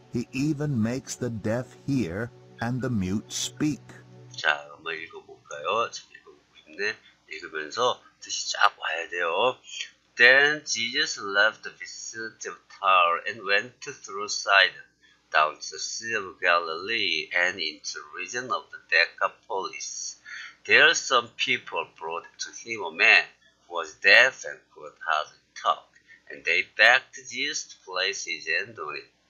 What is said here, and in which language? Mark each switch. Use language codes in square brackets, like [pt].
[en] He even makes the deaf hear and the mute speak. [ko] 자, 한번 읽어볼까요? 지금 읽어보고 싶네. 읽으면서 뜻이 쫙 와야 돼요. [en] Then Jesus left the vicinity of Tyre and went through Sidon, down to the Sea of Galilee and into the region of the Decapolis. There some people brought to him a man who was deaf and could hardly talk, and they begged Jesus to place his hand on him.